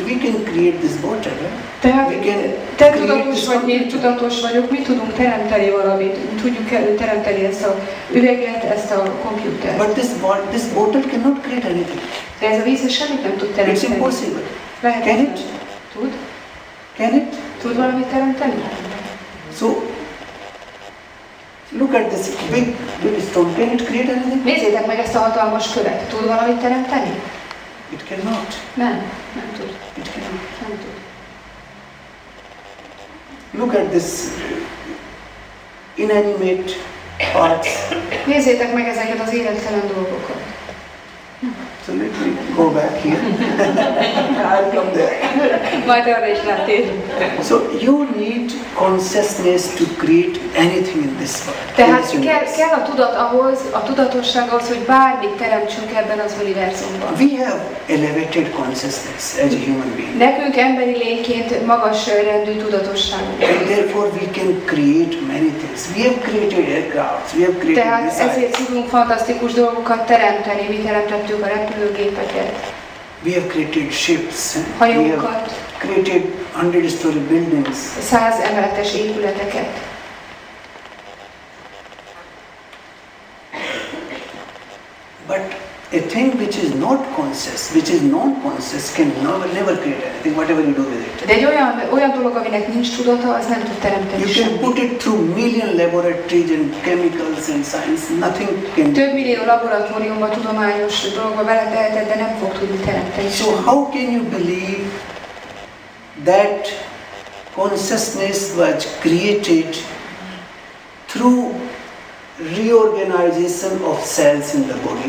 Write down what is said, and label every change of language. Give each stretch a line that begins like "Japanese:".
English: We can create this water.
Hungarian: Tehát te tudatos vagy, én tudatos vagyok, mi tudunk teremteni valamit, tudjuk teremteni ezt a üveget, ezt a komputert.
English: But this water cannot create anything.
Hungarian: De ez a víz semmit nem tud teremteni.
English: It's impossible.
Hungarian: Lehetetlen.
English: Can it?
Hungarian: Tud valamit teremteni?
English: So, look at this big, big stone. Can it create anything?
Hungarian: Nézzétek meg ezt a hatalmas követ. Tud valamit teremteni?
English: It cannot.
Hungarian: Nem. Nem tud.
English: It cannot.
Hungarian: Nem tud.
English: Look at this inanimate parts.
Hungarian: Nézzétek meg ezeket az élettelen dolgokat.
English: So let me go back here. I'll come there. So you need consciousness to create anything in this world.
Hungarian: Tehát kell a tudat ahhoz, a tudatosság ahhoz, hogy bármit teremtsünk ebben az univerzumban.
English: We have elevated consciousness as a human being.
Hungarian: Nekünk emberi lényként magas rendű tudatosság.
English: And therefore we can create many things. We have created aircraft. We have created.
Hungarian: Tehát ezért tudunk fantasztikus dolgokat teremteni. Mi teremtettük a repülőgépeket.
English: We have created ships.
Hungarian: Hajókat.
English: Created 100 story buildings.
Hungarian: 100 emeletes épületeket.
English: But a thing which is not conscious, which is non-conscious, can never create anything, whatever you do with it.
Hungarian: De olyan dolog, aminek nincs tudata, az nem tud teremteni.
English: You can put it through million laboratories and chemicals and science, nothing can.
Hungarian: Több millió laboratóriumban tudományos dolgokba beleteheted, de nem fog tudni teremteni.
English: So how can you believe that consciousness was created through reorganization of cells in the body?